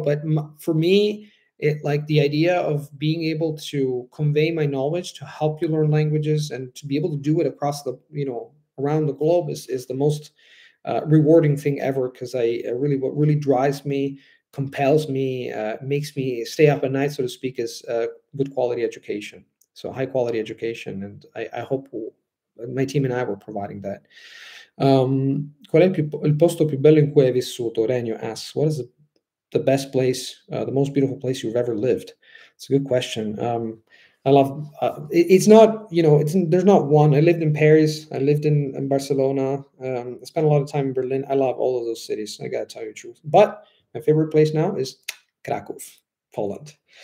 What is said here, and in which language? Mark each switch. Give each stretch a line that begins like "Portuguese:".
English: But for me, it, like, the idea of being able to convey my knowledge to help you learn languages and to be able to do it across the, you know, around the globe is the most rewarding thing ever, because what really drives me, compels me, makes me stay up at night, so to speak, is good quality education. So high quality education, and I hope my team and I were providing that.
Italian: Qual è il posto più bello in cui hai vissuto?
English: Renio asks, what is the best place, the most beautiful place you've ever lived? It's a good question. I love, it's not, you know, there's not one. I lived in Paris, I lived in Barcelona, I spent a lot of time in Berlin. I love all of those cities, I gotta tell you the truth. But my favorite place now is Kraków, Poland.